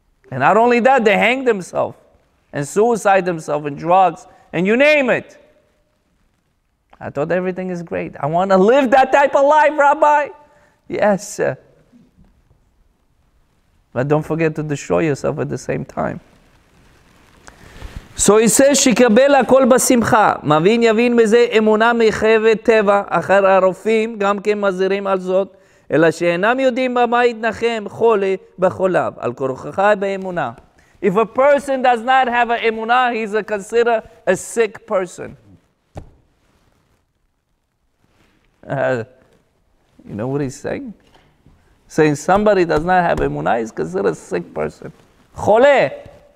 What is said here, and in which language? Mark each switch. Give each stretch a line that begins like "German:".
English: And not only that, they hang themselves and suicide themselves and drugs and you name it. I thought everything is great. I want to live that type of life, Rabbi. Yes, sir. But don't forget to destroy yourself at the same time. So he says,
Hebrew: שיקבל הכל בשמחה. מבין יבין מזה אמונה מחייבת טבע. אחר הרופאים גם כן מזהירים על זאת. אלא שאינם יודעים במה יתנחם חולי בחוליו, על כורחך באמונה.
English: If a person does not have an emunah, he's a consider a sick person. You know what he's saying? Saying somebody does not have emunah, he's considered a sick person.
Hebrew: חולי.